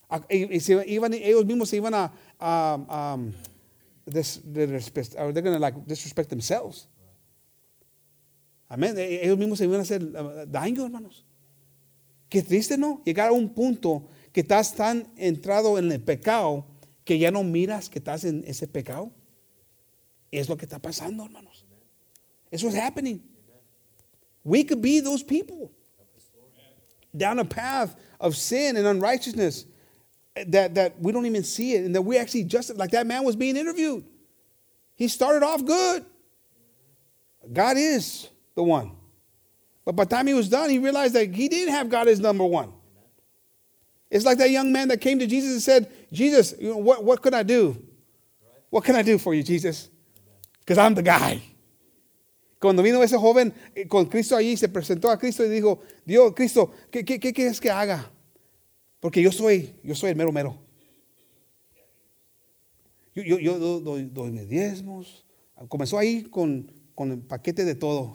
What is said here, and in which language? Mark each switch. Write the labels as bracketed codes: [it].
[es] Y se iban, ellos mismos se iban [en] they're going to like disrespect themselves. [es] Amén. Ellos mismos se iban a hacer daño, hermanos. Qué triste, ¿no? Llegar a un punto que estás tan entrado en el pecado que ya no miras que estás en ese pecado. Y es lo que está pasando, hermanos. [en] It's what's happening. We could be those people down a path of sin and unrighteousness that we don't even see it, and that we actually just like that man was being interviewed. He started off good. God is the one. But by the time he was done, he realized that he didn't have God as number one. It's like that young man that came to Jesus and said, Jesus, you know, what could I do? What can I do for you, Jesus? Because I'm the guy. [es] Cuando vino ese joven con Cristo allí, se presentó a Cristo y dijo, Dios, Cristo, ¿qué quieres que haga? Porque yo soy el mero mero. Yo doy mis diezmos. Comenzó ahí con el paquete de todo.